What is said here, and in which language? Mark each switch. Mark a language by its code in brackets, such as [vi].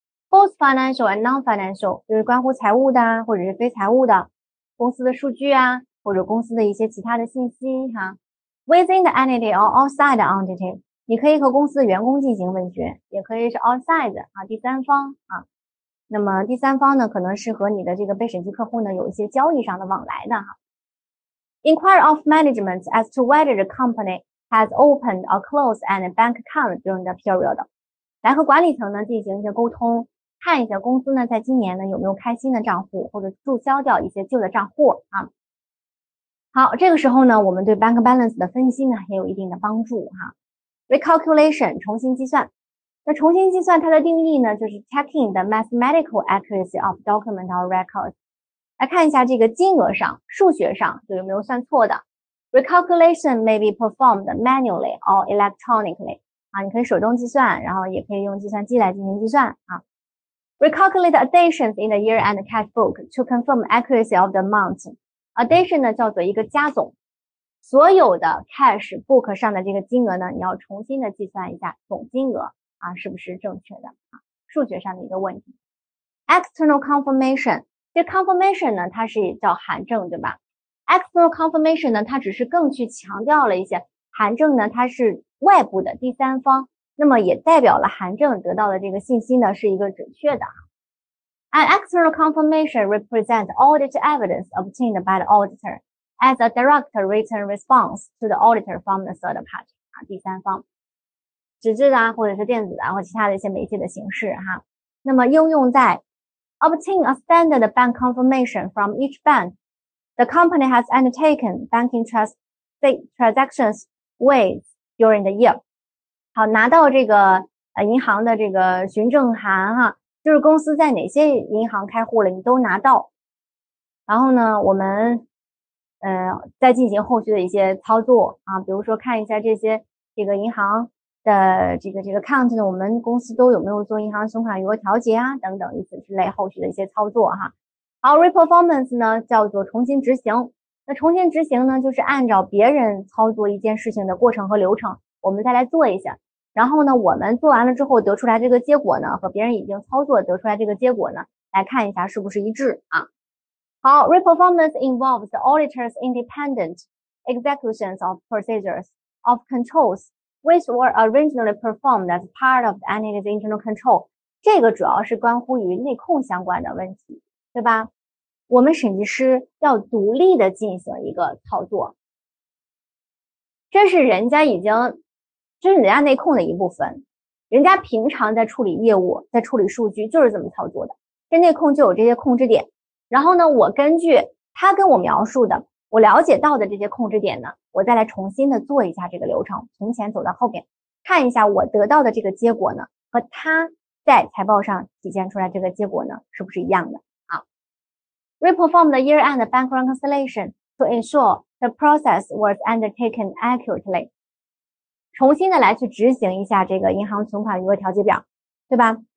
[en] Both financial and non-financial, [zh] 就是关乎财务的或者是非财务的公司的数据啊，或者公司的一些其他的信息啊。 Within the entity or outside the entity, 你可以和公司的员工进行问询，也可以是 outside 啊，第三方啊。那么第三方呢，可能是和你的这个被审计客户呢有一些交易上的往来的哈。 [en] Inquire of management as to whether the company has opened or closed any bank account during the period. [zh] 来和管理层呢进行一些沟通，看一下公司呢在今年呢有没有开新的账户，或者注销掉一些旧的账户啊。好，这个时候呢我们对 bank balance 的分析呢也有一定的帮助哈。 Recalculation, 重新计算。那重新计算它的定义呢，就是 [en] checking the mathematical accuracy of document or records. [zh] 来看一下这个金额上数学上就有没有算错的。 [en] Recalculation may be performed manually or electronically. [zh] 啊你可以手动计算，然后也可以用计算机来进行计算啊。 [en] Recalculate additions in the year-end cash book to confirm accuracy of the amount. [zh] Addition 呢叫做一个加总。所有的 cash book 上的这个金额呢，你要重新的计算一下总金额。啊，是不是正确的啊？数学上的一个问题。External confirmation， 这 confirmation 呢，它是叫函证，对吧 ？External confirmation 呢，它只是更去强调了一些函证呢，它是外部的第三方，那么也代表了函证得到的这个信息呢是一个准确的。 [en] An external confirmation represents audit evidence obtained by the auditor as a direct written response to the auditor from the third party [zh] 啊，第三方。纸质的啊，或者是电子的啊，或其他的一些媒介的形式哈。那么应用在 [en] obtain a standard bank confirmation from each bank, the company has undertaken banking transactions with during the year. [zh] 好，拿到这个银行的这个询证函哈，就是公司在哪些银行开户了，你都拿到。然后呢，我们再进行后续的一些操作啊，比如说看一下这个银行的这个 count 呢，我们公司都有没有做银行存款余额调节啊等等，以此之类后续的一些操作哈。好， reperformance 呢叫做重新执行。那重新执行呢，就是按照别人操作一件事情的过程和流程我们再来做一下，然后呢我们做完了之后得出来这个结果呢，和别人已经操作得出来这个结果呢，来看一下是不是一致啊。 [en] 好， reperformance involves the auditor's independent executions of procedures of controls which were originally performed as part of the entity's internal control. [zh] 这个主要是关乎于内控相关的问题，对吧？我们审计师要独立的进行一个操作。这是人家已经，这是人家内控的一部分。人家平常在处理业务，在处理数据，就是这么操作的。这内控就有这些控制点。然后呢，我根据他跟我描述的我了解到的这些控制点呢，我再来重新的做一下这个流程，从前走到后边，看一下我得到的这个结果呢，和他在财报上体现出来这个结果呢，是不是一样的啊。 [en] Reperform the year-end bank reconciliation to ensure the process was undertaken accurately. [zh] 重新的来去执行一下这个银行存款余额调节表，对吧？